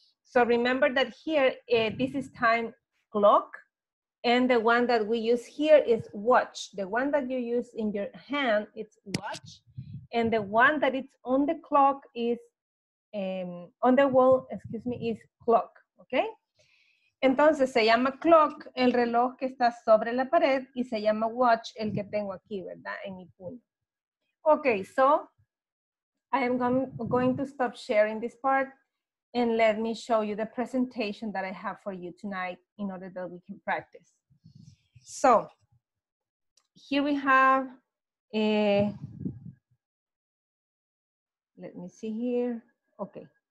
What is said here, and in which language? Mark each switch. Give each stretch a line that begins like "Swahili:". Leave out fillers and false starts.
English: So remember that here, this is time clock, and the one that we use here is watch. The one that you use in your hand, it's watch, and the one that it's on the clock is, on the wall, excuse me, is clock, okay?
Spanish: Entonces, se llama clock, el reloj que está sobre la pared, y se llama watch, el que tengo aquí, ¿verdad? En mi puño.
English: Okay, so I am going to stop sharing this part, and let me show you the presentation that I have for you tonight in order that we can practice. So, here we have, let me see here, okay.